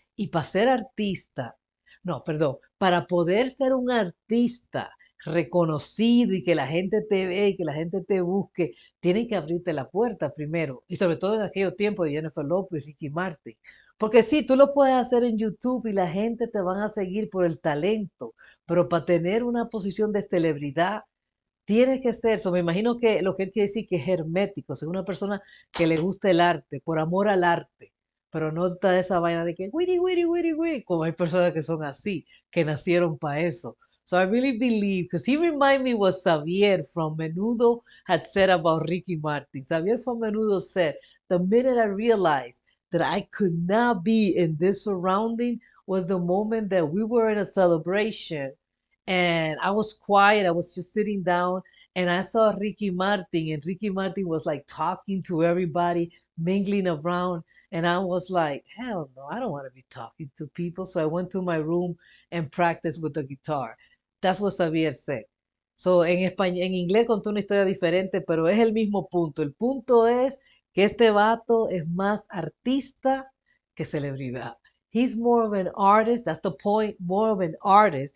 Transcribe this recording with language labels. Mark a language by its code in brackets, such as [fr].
[es] Y para ser artista, no, perdón, para poder ser un artista reconocido y que la gente te ve y que la gente te busque, tienen que abrirte la puerta primero, y sobre todo en aquellos tiempos de Jennifer López y Ricky Martin, porque sí, tú lo puedes hacer en YouTube y la gente te van a seguir por el talento, pero para tener una posición de celebridad tienes que ser eso. Me imagino que lo que él quiere decir que es hermético, o sea, una persona que le gusta el arte por amor al arte, pero no está esa vaina de que wiri wiri wiri wiri, como hay personas que son así, que nacieron para eso. [en] So I really believe, because he reminded me what Xavier from Menudo had said about Ricky Martin. Xavier from Menudo said, "The minute I realized that I could not be in this surrounding was the moment that we were in a celebration and I was quiet. I was just sitting down and I saw Ricky Martin and Ricky Martin was like talking to everybody, mingling around. And I was like, hell no, I don't want to be talking to people. So I went to my room and practiced with the guitar." That's what Xavier said. [es] So en español, en inglés contó una historia diferente, pero es el mismo punto. El punto es que este vato es más artista que celebridad. [en] He's more of an artist, that's the point, more of an artist.